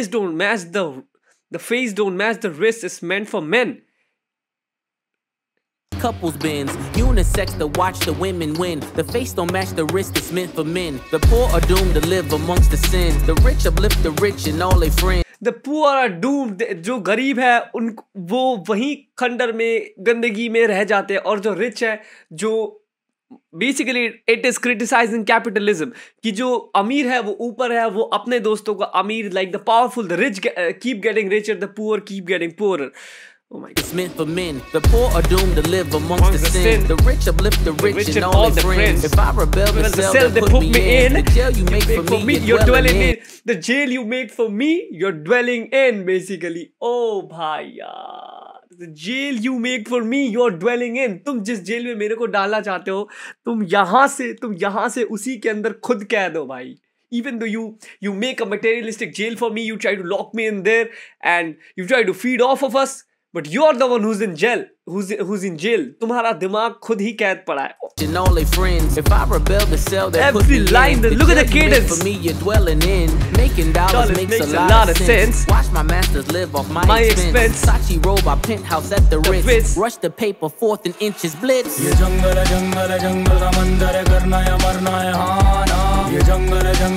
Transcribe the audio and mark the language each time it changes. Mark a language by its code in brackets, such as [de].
[en] The face don't match the wrist, it's meant for men. Couples bins, unisex to watch the women win. The face don't match the wrist, it's meant for men. The poor are doomed to live amongst the sins. The rich uplift the rich and all their friends. The poor are doomed, [hi] जो गरीब है उन वो वहीं खंडर में गंदगी में रह जाते हैं, और जो रिच है, जो [en] basically it is criticising capitalism, [hi] कि जो अमीर है वो ऊपर है, वो अपने दोस्तों को अमीर, [en] Like the powerful the rich keep getting richer, the poor keep getting poor. It's meant for men. The poor are doomed to live amongst the sin. The rich uplift the rich and all the friends. If I rebel the cell, they put me in. The jail you made for me, you're dwelling in, basically. Oh, bhaiya. The jail you make for me, you are dwelling in. [hi] तुम जिस jail में मेरे को डालना चाहते हो, तुम यहाँ से उसी के अंदर खुद कैद हो भाई. [en] Even though you make a materialistic jail for me, you try to lock me in there and you try to feed off of us, but you are the one who's in jail. Who's in jail? [hi] तुम्हारा दिमाग खुद ही कैद पड़ा है. [en] And all their friends. If I rebel the cell, they every put me line in. The look at the cadence. For me, you're dwelling in. Making dollars makes a lot of sense. Watch my masters live off my expense. Sachi robe, I penthouse at the Ritz. Fits. Rush the paper forth in inches blitz. [hi] Ye jungle ka mandir hai, karna ya marna hai, haan haan.